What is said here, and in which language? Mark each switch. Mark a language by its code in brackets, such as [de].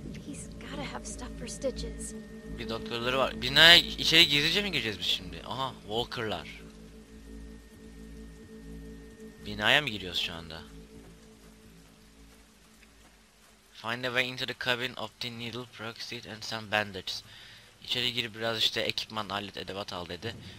[en] He's gotta have stuff for stitches. [tr] Bir doktorları var. Bir ne içeri gizlice mi gireceğiz biz şimdi? Aha, walkerlar. Binaya mı giriyoruz şu anda? [en] Find a way into the cabin, obtain needle, proxit and some bandages. [tr] İçeri girip biraz işte ekipman, alet, edevat al dedi.